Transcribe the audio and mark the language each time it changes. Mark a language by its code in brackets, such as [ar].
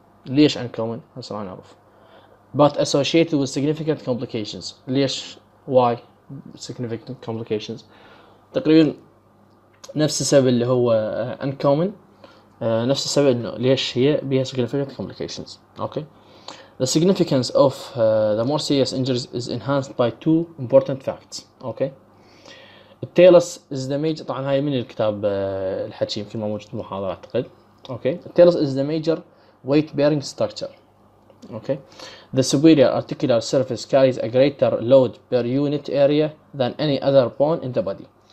[en] ليش انكومن؟ [ar] هسه راح نعرف. [en] But associated with significant complications. [ar] ليش؟ [en] Why significant complications? [ar] تقريبا نفس السبب اللي هو انكومن، نفس السبب انه ليش هي بيها سيجنيفيكانت كومبليكيشنز. اوكي، [en] The significance of the more serious injuries is enhanced by two important facts. Okay. التيل اس is the major, [ar] طبعا هاي من الكتاب الحكي يمكن ما موجود بالمحاضرة اعتقد. اوكي. [en] التيل اس is the major weight bearing structure. Okay. The superior articular surface carries a greater load per unit area than any other bone in the body.